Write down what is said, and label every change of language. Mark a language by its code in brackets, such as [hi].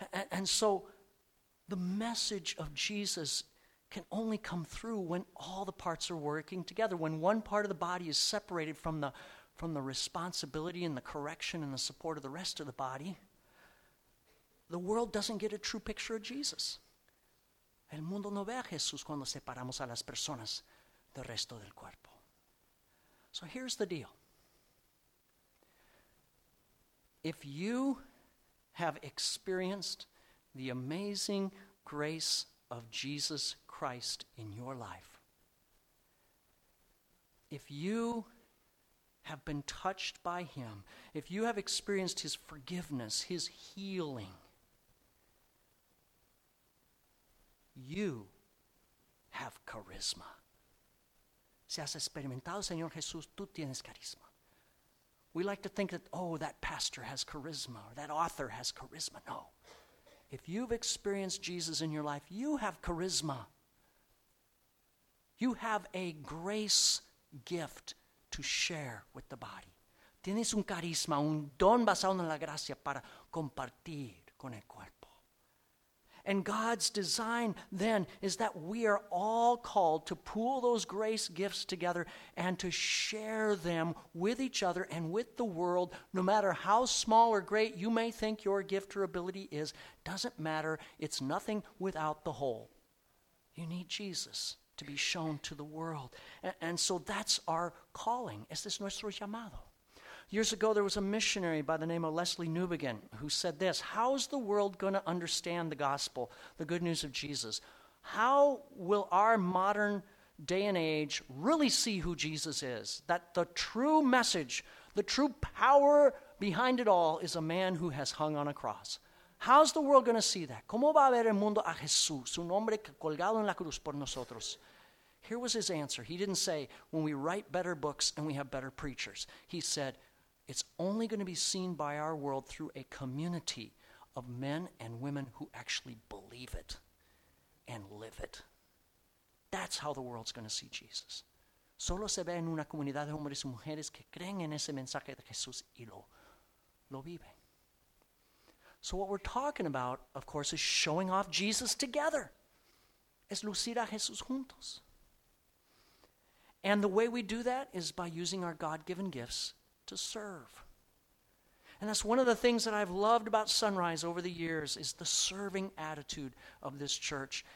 [en] And so, the message of Jesus can only come through when all the parts are working together. When one part of the body is separated from the responsibility and the correction and the support of the rest of the body, the world doesn't get a true picture of Jesus. [es] El mundo no ve a Jesús cuando separamos a las personas del resto del cuerpo. [en] So here's the deal. If you have experienced the amazing grace of Jesus Christ in your life, if you have been touched by him, if you have experienced his forgiveness, his healing, you have charisma. [es] Si has experimentado, Señor Jesús, tú tienes carisma. [en] We like to think that, oh, that pastor has charisma, or that author has charisma. No. If you've experienced Jesus in your life, you have charisma. You have a grace gift to share with the body. [es] Tienes un carisma, un don basado en la gracia para compartir con el cuerpo. [en] And God's design then is that we are all called to pool those grace gifts together and to share them with each other and with the world, no matter how small or great you may think your gift or ability is. Doesn't matter. It's nothing without the whole. You need Jesus to be shown to the world. And so that's our calling. [es] Este es nuestro llamado. [en] Years ago, there was a missionary by the name of Leslie Newbegin who said this: how's the world going to understand the gospel, the good news of Jesus? How will our modern day and age really see who Jesus is? That the true message, the true power behind it all is a man who has hung on a cross. How's the world going to see that? [es] ¿Cómo va a ver el mundo a Jesús, un hombre colgado en la cruz por nosotros? [en] Here was his answer. He didn't say, when we write better books and we have better preachers. He said, it's only going to be seen by our world through a community of men and women who actually believe it and live it. That's how the world's going to see Jesus. [es] Solo se ve en una comunidad de hombres y mujeres que creen en ese mensaje de Jesús y lo viven. [en] So what we're talking about, of course, is showing off Jesus together. [es] Es lucir a Jesús juntos. [en] And the way we do that is by using our God-given gifts to serve. And that's one of the things that I've loved about Sunrise over the years is the serving attitude of this church.